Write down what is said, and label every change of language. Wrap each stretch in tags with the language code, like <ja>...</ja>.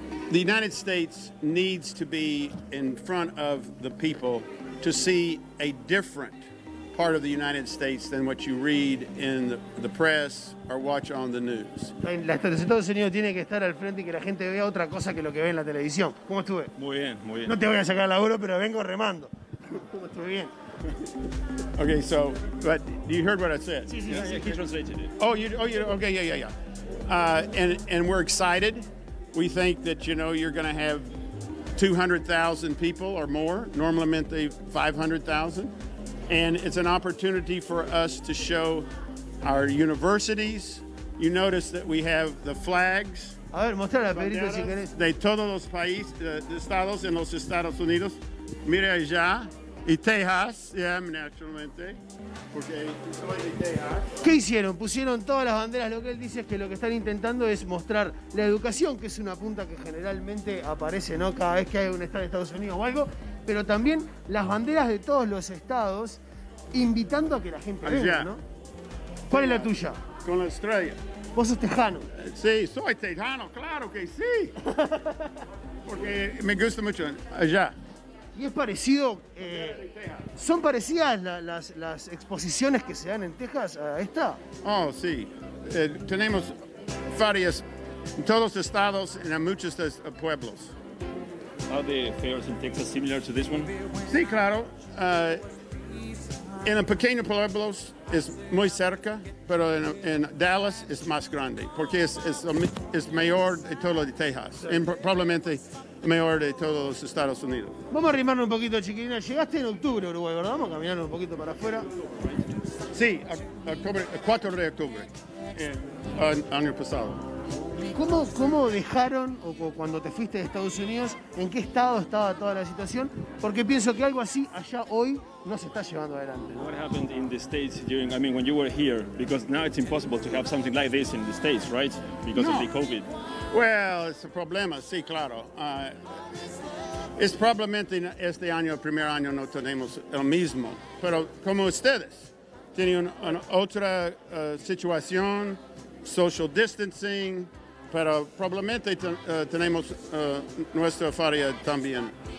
<en>The United States needs to be in front of the people to see a different part of the United States than what you read in the press or watch on the news.</en> <es>Estados Unidos tiene que estar al frente y que la gente vea otra cosa que lo que ve en la televisión. ¿Cómo estuve? Muy bien, muy bien. No te voy a sacar laburo, pero vengo remando. ¿Cómo estuve? Bien.</es> <en>Okay, so, but you heard what I said? Sí, he translated it. Oh, okay. And we're excited. We think that, you know, you're going to have 200,000 people or more, normally 500,000. And it's an opportunity for us to show our universities. You notice that we have the flags.</en> <es>A ver, mostrar a Pedrito si querés. De todos los países, de estados en los Estados Unidos. Mira allá. Y Texas, naturalmente. Porque soy de Texas. ¿Qué hicieron? Pusieron todas las banderas. Lo que él dice es que lo que están intentando es mostrar la educación, que es una punta que generalmente aparece, ¿no? Cada vez que hay un estado de Estados Unidos o algo. Pero también las banderas de todos los estados, invitando a que la gente venga, allá, ¿no? ¿Cuál es la tuya? Con la estrella. ¿Vos sos tejano? Sí, soy tejano, claro que sí. Porque me gusta mucho allá. Y es parecido, ¿son parecidas las exposiciones que se dan en Texas a esta? Oh, sí. Tenemos varias en todos los estados y en muchos pueblos.</es> <en>Are the fairs in Texas similar to this one?</en> <es>Sí, claro. En el pequeño pueblo es muy cerca, pero en Dallas es más grande, porque es mayor de todo de Texas, probablemente mayor de todos los Estados Unidos. Vamos a arrimarnos un poquito, chiquilina. Llegaste en octubre, Uruguay, ¿verdad? Vamos a caminar un poquito para afuera. Sí, octubre, 4 de octubre, año pasado. ¿Cómo dejaron, o cuando te fuiste de Estados Unidos, en qué estado estaba toda la situación? Porque pienso que algo así allá hoy no se está llevando adelante.</es> <en>What happened in the States during, I mean, when you were here? Because now it's impossible to have something like this in the States, right? Because no. Of the COVID. Well, it's a problema,</en> <es>sí, claro. Es probablemente este año, el primer año, no tenemos el mismo. Pero como ustedes, tienen una otra situación, social distancing, pero probablemente tenemos nuestra faria también.</es>